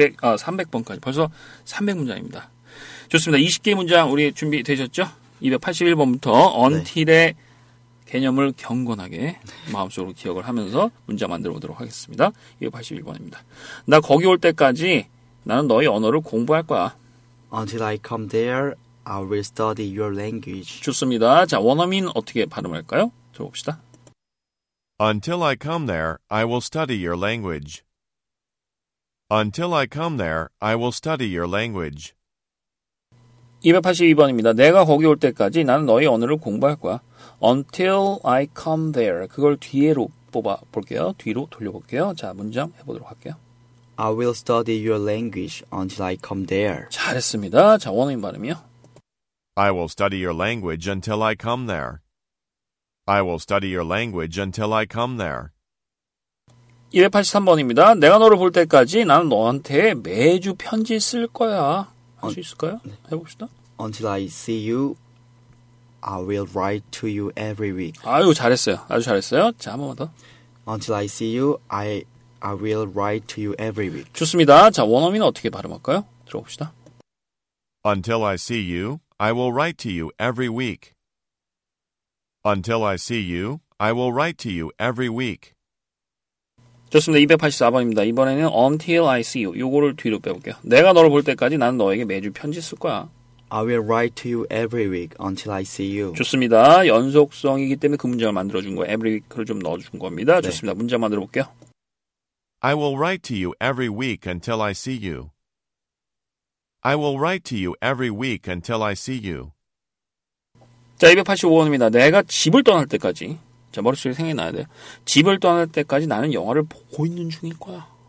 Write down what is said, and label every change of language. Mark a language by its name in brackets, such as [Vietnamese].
[Korean] 300번까지 벌써 300문장입니다. 좋습니다. 20개 문장 우리 준비 되셨죠? 281번부터 until의 네. 개념을 경건하게 마음속으로 기억을 하면서 문장 만들어보도록 하겠습니다. 281번입니다. 나 거기 올 때까지 나는 너의 언어를 공부할 거야. [English] Until I come there, I will study your language. [Korean] 좋습니다. 자, 원어민 어떻게 발음할까요? 들어봅시다. [English] Until I come there, I will study your language. Until I come there, I will study your language. [Korean] 282번입니다. 내가 거기 올 때까지 나는 너의 언어를 공부할 거야. [English] Until I come there. [Korean] 그걸 뒤로 뽑아볼게요. 뒤로 돌려볼게요. 자, 문장 해보도록 할게요. [English] I will study your language until I come there. [Korean] 잘했습니다. 자, 원어민 발음이요. [English] I will study your language until I come there. I will study your language until I come there. [Korean] 283번입니다. 내가 너를 볼 때까지 나는 너한테 매주 편지 쓸 거야. 할 수 있을까요? 네. 해봅시다. [English] Until I see you, I will write to you every week. [Korean] 아유, 잘했어요. 아주 잘했어요. 자, 한 번만 더. [English] Until I see you, I will write to you every week. [Korean] 좋습니다. 자, 원어민은 어떻게 발음할까요? 들어봅시다. [English] Until I see you, I will write to you every week. Until I see you, I will write to you every week. [Korean] 좋습니다. 284번입니다. 이번에는 [English] Until I see you. [Korean] 요거를 뒤로 빼볼게요. 내가 너를 볼 때까지 나는 너에게 매주 편지 쓸 거야. [English] I will write to you every week until I see you. [Korean] 좋습니다. 연속성이기 때문에 그 문장을 만들어준 거예요. Every week를 좀 넣어준 겁니다. 네. 좋습니다. 문장 만들어볼게요. [English] I will write to you every week until I see you. I will write to you every week until I see you. [Korean] 자, 285번입니다. 내가 집을 떠날 때까지. 자, 머릿속에 생각나야 돼요. 집을 떠날 때까지 나는 영화를 보고 있는 중일 거야.